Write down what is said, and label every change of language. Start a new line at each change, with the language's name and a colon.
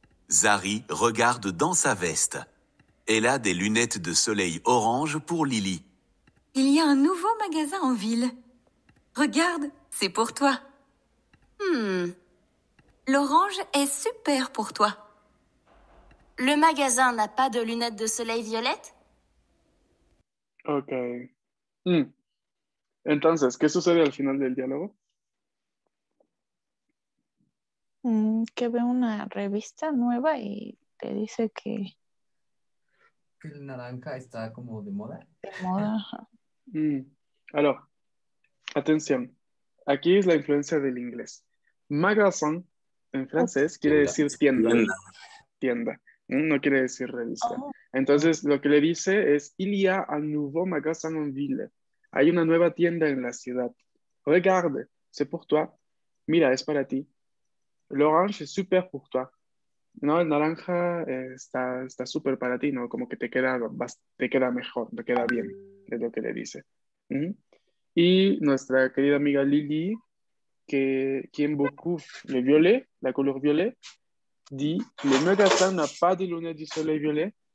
French: Zari regarde dans sa veste. Elle a des lunettes de soleil orange pour Lily. Il y a un nouveau magasin en ville. Regarde, c'est pour toi. L'orange est super pour toi. Le magasin n'a pas de lunettes de soleil violettes? Ok.
Spanish: Entonces, ¿qué sucede al final del diálogo? Que ve una revista nueva y te dice que Que el naranja está como de moda. de moda. Aló, atención. Aquí es la influencia del inglés. Magasin en francés quiere Tienda. decir tienda. Tienda. Tienda. No quiere decir revista. Entonces, lo que le dice es:
French: Il y a un nouveau magasin en ville.
Spanish: Hay una nueva tienda en la ciudad.
French: Regarde, c'est pour toi.
Spanish: Mira, es para ti.
French: L'orange est super pour toi.
Spanish: No, el naranja está súper para ti, ¿no? Como que te queda mejor, te queda bien, es lo que le dice. Y nuestra querida amiga Lily, que quien
French: beaucoup le violet, la color violet, dit, le magasin n'a pas de lunettes de soleil violet.